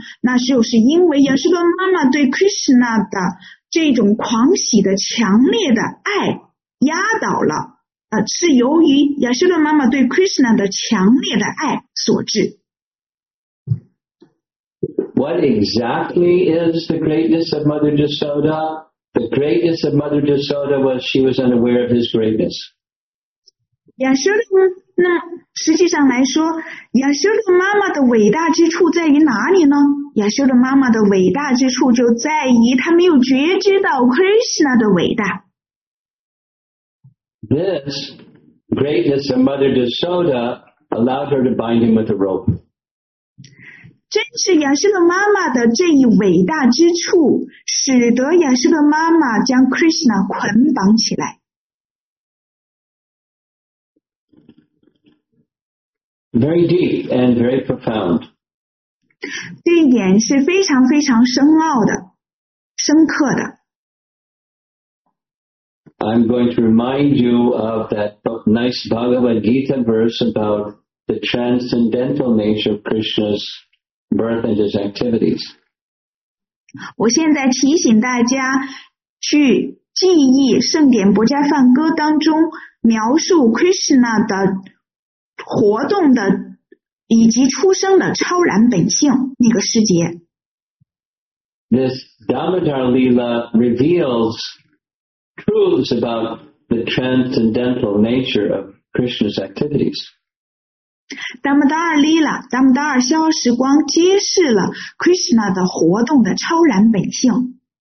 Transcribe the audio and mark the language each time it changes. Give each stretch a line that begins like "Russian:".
Chinese: 那就是因为亚修拉妈妈对 Krishna 的这种狂喜的强烈的爱压倒了。是由于亚修拉妈妈对 Krishna 的强烈的爱所致。
English: What exactly is the greatness of Mother Yashoda? The greatness of Mother Yashoda was she was unaware of his greatness.
Chinese: 亚修拉妈妈，那实际上来说，亚修拉妈妈的伟大之处在于哪里呢？亚修拉妈妈的伟大之处就在于她没有觉知到 Krishna 的伟大。
English: This greatness of Mother Yashoda allowed her to bind him with a rope.
Chinese: 真是亚修拉妈妈的这一伟大之处，使得亚修拉妈妈将 Krishna 捆绑起来。
English: Very deep and very profound.
Chinese: 这一点是非常非常深奥的，深刻的。
English: I'm going to remind you of that nice Bhagavad Gita verse about the transcendental nature of Krishna's birth and his activities.
Chinese: 我现在提醒大家去记忆圣典薄伽梵歌当中描述 Krishna 的活动的以及出生的超然本性那个时节。
English: This Damodar Leela reveals. Truths about the transcendental nature of Krishna's activities.
Chinese: Damodar Leela, Damodar 消时光揭示了 Krishna 的活动的超然本性。